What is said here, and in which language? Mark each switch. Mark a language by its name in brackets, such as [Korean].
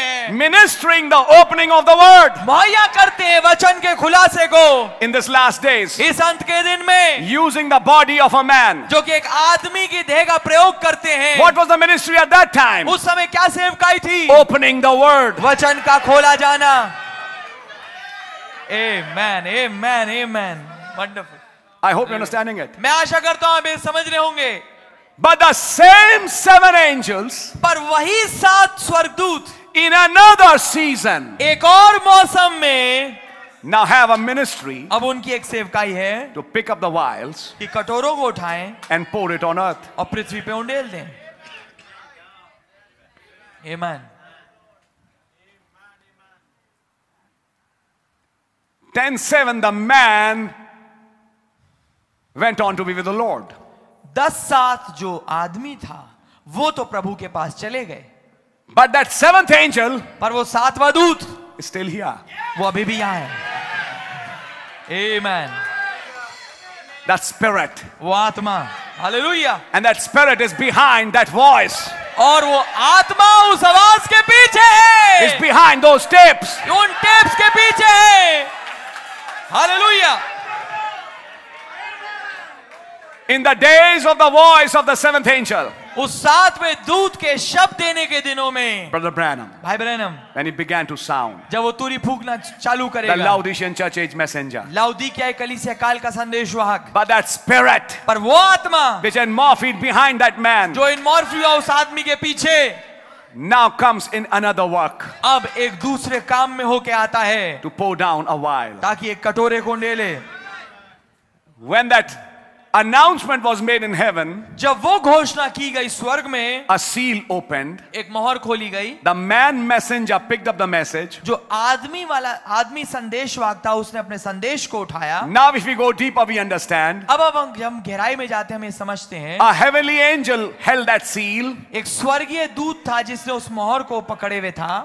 [English] Ministering the opening of the word. In this last days. [Hindi] इस अंत के दिन में, [English] using the body of a man. [Hindi] जो कि एक आदमी की देह का प्रयोग करते हैं. [English] What was the ministry at that time? [Hindi] उस समय क्या सेवकाई थी? [English] Opening the word. [Hindi] वचन का खोला जाना. [English] Amen, amen, amen. Wonderful. I hope you're understanding it. [Hindi] मैं आशा करता हूँ आप समझ रहे होंगे. [English] But the same seven angels. [Hindi] पर वही सात स्वर्गदूत. [English] In another season. [Hindi] एक और मौसम में. [English] Now have a ministry. [Hindi] अब उनकी एक सेवकाई है. [English] To pick up the vials. [Hindi] कि कटोरों को उठाएं. [English] And pour it on earth. [Hindi] और पृथ्वी पे उंडेल दें. Amen. [English] 10:7. The man. Went on to be with the Lord. [Hindi] 10:7 जो आदमी था वो तो प्रभु के पास चले गए. [English] But that seventh angel, [Hindi] पर वो सातवां दूत, [English] still here. [Hindi] वो अभी भी यहाँ है. Amen. [English] That spirit, [Hindi] वो आत्मा. Hallelujah. [English] And that spirit is behind that voice. [Hindi] और वो आत्मा उस आवाज के पीछे है. [English] Is behind those tapes. [Hindi] उन टेप्स के पीछे है. Hallelujah. [English] In the days of the voice of the seventh angel, [Hindi] उस सातवें दूत के शब्द देने के दिनों में, [English] Brother Branham, [Hindi] भाई Branham, [English] when he began to sound, [Hindi] जब वो तुरी फूंकना चालू करेगा, [English] the Laodicean church age messenger, [Hindi] लाओदीकिया कलीसिया काल का संदेशवाहक, [English] but that spirit, [Hindi] पर वो आत्मा, [English] which had morphed behind that man, [Hindi] जो इन मॉर्फ हुआ उस आदमी के पीछे, [English] now comes in another work, [Hindi] अब एक दूसरे काम में होके आता है, [English] to pour down a vial, [Hindi] ताकि एक कटोरे को ले ले. [English] When that announcement was made in heaven. [Hindi] जब वो घोषणा की गई स्वर्ग में, [English] a seal opened. [Hindi] एक मोहर खोली गई. [English] The man messenger picked up the message. [Hindi] जो आदमी वाला आदमी संदेश वाक्ता उसने अपने संदेश को उठाया. [English] Now if we go deeper, we understand. [Hindi] अब हम गहराई में जाते हैं, हम समझते हैं. [English] A heavenly angel held that seal. [Hindi] एक स्वर्गीय दूत था जिसने उस मोहर को पकड़े हुए था.